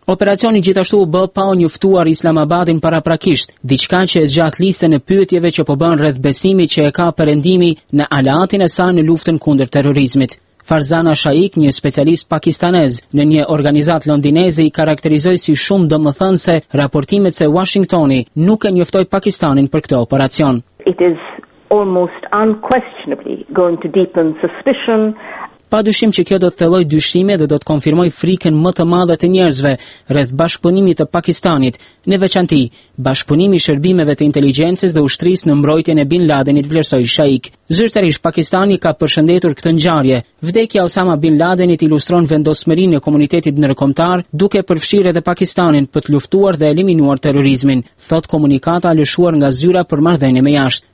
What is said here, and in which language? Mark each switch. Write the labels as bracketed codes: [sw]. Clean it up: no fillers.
[sq] Operacioni gjithashtu u bë pa u njoftuar Islamabadin paraprakisht, diçka që e zgjat listën e pyetjeve që po bën rreth besimit që e ka Perëndimi në aleatin e saj në luftën kundër terrorizmit. Farzana Shaik, një specialist pakistanez në një organizat londineze, i karakterizoi si shumë domethënse raportimet se Washingtoni nuk e njoftoi Pakistanin për këtë operacion. [en] It is almost unquestionably going to deepen suspicion. [sq] Pa dyshim që kjo do të thelloj dyshime dhe do të konfirmoj frikën më të madhe të njerëzve rreth bashkëpunimit të Pakistanit, në veçanti, bashkëpunimi i shërbimeve të inteligjencës dhe ushtrisë në mbrojtjen e Bin Ladenit, vlersoi Shaik. Zyrtarisht Pakistani ka përshëndetur këtë ngjarje. Vdekja Osama Bin Ladenit ilustron vendosmërinë e komunitetit ndërkombëtar duke përfshirë edhe Pakistanin për të luftuar dhe eliminuar terrorizmin, thot komunikata lëshuar nga zyra për marrëdhënie me jashtë.